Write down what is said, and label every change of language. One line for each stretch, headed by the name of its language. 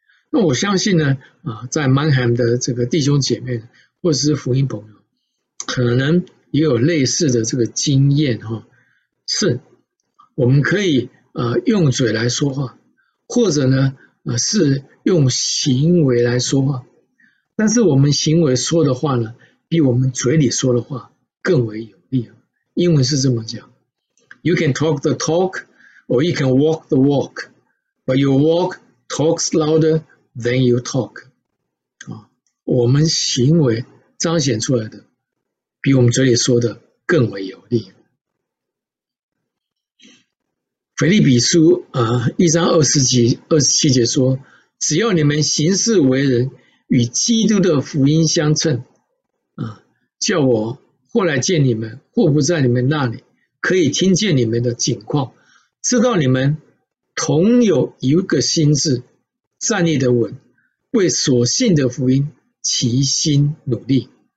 Chinese: 那我相信呢，在 Manheim 的这个弟兄姐妹或是福音朋友，可能也有类似的这个经验哈。是，我们可以用嘴来说话，或者呢，是用行为来说话。但是我们行为说的话呢，比我们嘴里说的话更为有力。英文是这么讲
English: ：You can talk the talk, or you can walk the walk, but your walk talks louder than you talk。
Chinese: 我们行为彰显出来的，比我们嘴里说的更为有力。腓立比书一章二十几二十七节说，只要你们行事为人与基督的福音相称，叫我或来见你们，或不在你们那里，可以听见你们的景况，知道你们同有一个心志，站立得稳，为所信的福音齐心努力。